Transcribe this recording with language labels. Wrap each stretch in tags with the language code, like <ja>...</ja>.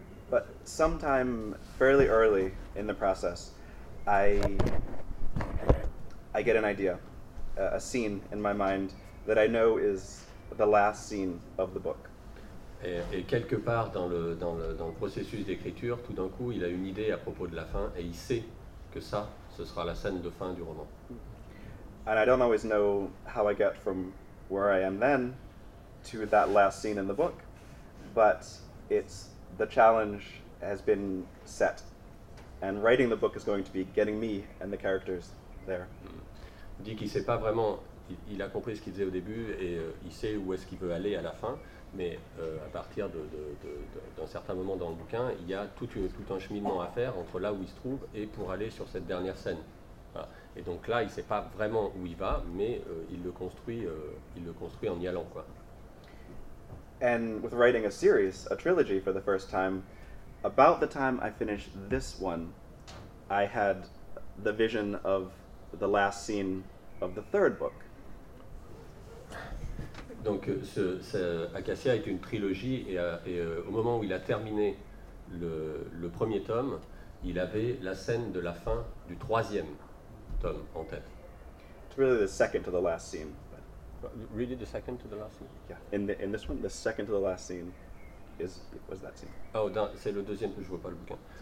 <en>But sometime fairly early in the process, I get an idea, a scene in my mind that I know is the last scene of the book.</en> <fr>Et quelque part dans le processus d'écriture, tout d'un coup, il a une idée à propos de la fin et il sait que ça, ce sera la scène de fin du roman.</fr> <en>And I don't always know how I get from where I am then to that last scene in the book, but it's the challenge has been set. And writing the book is going to be getting me and the characters there.</en> <fr>Il dit qu'il sait pas vraiment, il a compris ce qu'il faisait au début et il sait où est-ce qu'il veut aller à la fin. Mais à partir d'un certain moment dans le bouquin, il y a tout un cheminement à faire entre là où il se trouve et pour aller sur cette dernière scène. Voilà. Et donc là, il ne sait pas vraiment où il va, mais il le construit en y allant, quoi.</fr> <en>And with writing a series, a trilogy for the first time, about the time I finished this one, I had the vision of the last scene of the third book.</en> <fr>Donc, Acacia est une trilogie et au moment où il a terminé le premier tome, il avait la scène de la fin du troisième tome en tête.</fr> <en>It's really the second to the last scene. Really the second to the last scene? Yeah. In this one, the second to the last scene was that scene.</en> <fr>Oh, c'est le deuxième, je ne vois pas le bouquin.</fr>